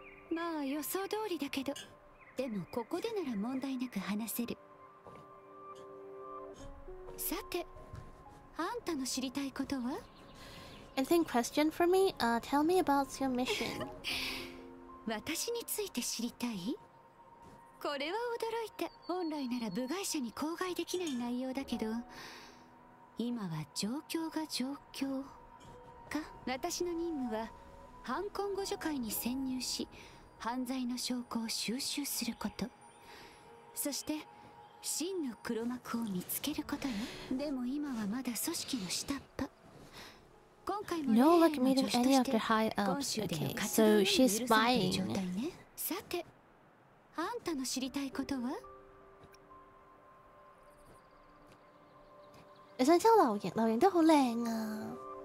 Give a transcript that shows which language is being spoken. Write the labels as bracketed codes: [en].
[ja] まあ予想通りだけどでもここでなら問題なく話せるさてあんたの知りたいことは [en] Anything question for me? Tell me about your mission [ja] 私について知りたい？これは驚いた。本来なら部外者に口外できない内容だけど、今は状況が状況か。私の任務は犯行互助会に潜入し、犯罪の証拠を収集すること、そして真の黒幕を見つけることよ。でも今はまだ組織の下っ端。今回も [en] No luck meeting any of the high ups. Okay, so she's spying. [ja] さて、あんたの知りたいことは？え、先生、老爷、老爷都好靓啊。